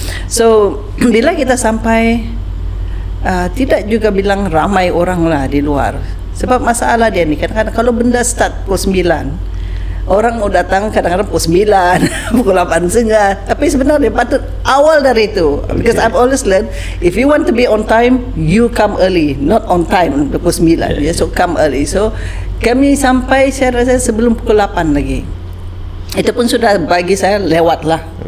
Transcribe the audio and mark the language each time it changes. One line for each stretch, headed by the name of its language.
Malay: So bila kita sampai tidak juga bilang ramai orang lah di luar, sebab masalah dia ni kadang-kadang kalau benda start pukul 9 orang mau datang kadang-kadang pukul 9, pukul 8 sehingga. Tapi sebenarnya patut awal dari itu.
English: Because I've always learned, if you want to be on time, you come early. Not on time, pukul 9. Yeah. So come early.
Malay: So kami sampai saya rasa sebelum pukul 8 lagi. Itu pun sudah bagi saya lewat lah.